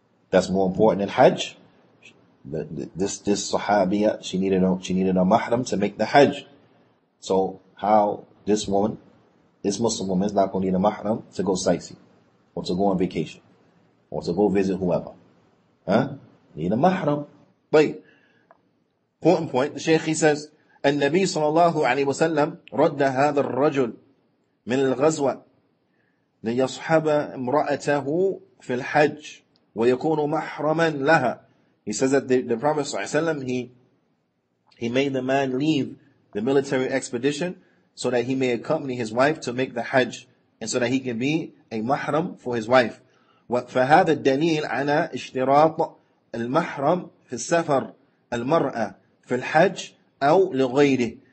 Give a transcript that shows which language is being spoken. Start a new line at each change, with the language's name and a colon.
English: That's more important than Hajj. This Sahabiya, she needed a mahram to make the Hajj. So how this woman, this Muslim woman, is not going to need a mahram to go sightsee, or to go on vacation, or to go visit whoever? Huh? Need a mahram. But important point. The Shaykh, he says,
Arabic: النبي صلى الله عليه وسلم رد هذا الرجل من الغزوة ليصحب امرأته في الحج. وَيَكُونُ مَحْرَمًا لَهَا.
English: He says that the Prophet ﷺ, he made the man leave the military expedition so that he may accompany his wife to make the Hajj and so that he can be a mahram for his wife.
Arabic: فَهَذَا الدَّلِيلْ عَنَا اشْتِرَاطَ الْمَحْرَمِ فِي السَّفَرِ الْمَرْأَ فِي الْحَجْ أَوْ لِغَيْرِهِ.